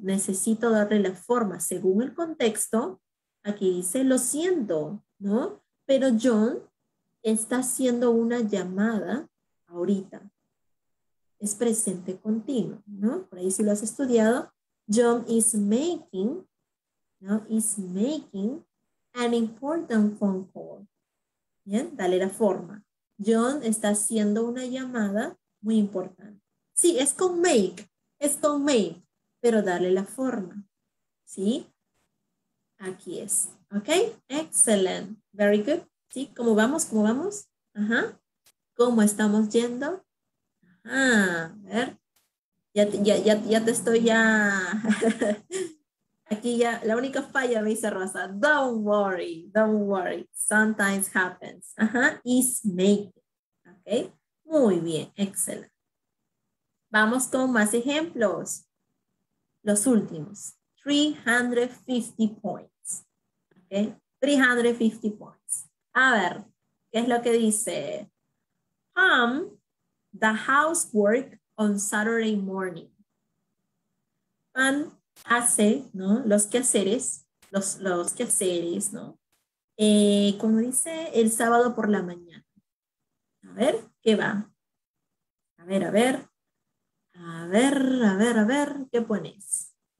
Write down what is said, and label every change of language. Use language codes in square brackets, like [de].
[es] Necesito darle la forma. Según el contexto, aquí dice lo siento. ¿No? Pero John está haciendo una llamada ahorita. Es presente continuo, ¿no? Por ahí si lo has estudiado, [en] John is making, [es] ¿no? [en] Is making an important phone call. [es] Bien, dale la forma. John está haciendo una llamada muy importante. Sí, es con make, pero dale la forma, ¿sí? Aquí es. Ok, excelente, [en] very good. [es] ¿Sí? ¿Cómo vamos? ¿Cómo vamos? ¿Cómo estamos yendo? A ver. Ya te estoy ya. Aquí ya, la única falla me dice Rosa. [en] Don't worry, sometimes happens. Is making. [es] ¿Ok? Muy bien, excelente. Vamos con más ejemplos. Los últimos. [en] 350 points. [es] ¿Ok? [en] 350 points. [es] A ver, ¿qué es lo que dice? [en] Pam, the housework on Saturday morning. [es] Pam hace, ¿no? Los quehaceres, los quehaceres, ¿no? Como dice, el sábado por la mañana. A ver, ¿qué va? A ver, a ver. A ver, a ver, a ver, ¿qué pones?